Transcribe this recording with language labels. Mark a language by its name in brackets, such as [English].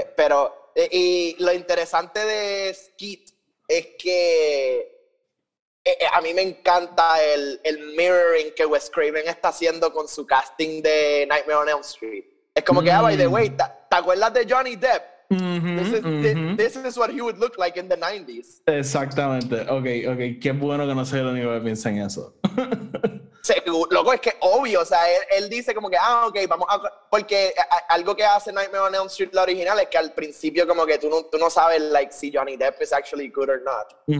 [Spanish] Pero, y lo interesante de Skeet. Es que a mí me encanta el mirroring que Wes Craven está haciendo con su casting de Nightmare on Elm Street. Es como que, ah, [English] by the way, [Spanish] ¿te acuerdas de Johnny Depp? [English] This is what he would look like in the 90s. [Spanish] Exactamente. Ok. Qué bueno que no soy el único que piensa en eso. Loco, es que obvio, o sea, él dice como que, ah, ok, vamos a. Porque algo que hace Nightmare on Elm Street, la original, es que al principio, como que tú no sabes, like, si Johnny Depp [English] is actually good or not.